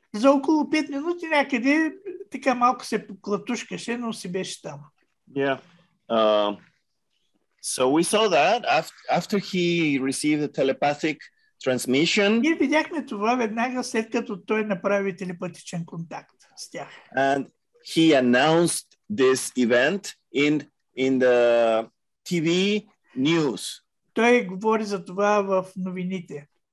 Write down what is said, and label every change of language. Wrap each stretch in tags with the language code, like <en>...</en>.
<bg>За около 5 минути някъде така малко се поклатушкаше, но си беше там.</bg> <en>Yeah. So we saw that after he received the telepathic transmission.</en> <bg>И видяхме това веднага след като той направи телепатичен контакт с тях.</bg> <en>And he announced this event in the TV news.</en> <bg>Той говори за това в новините.</bg>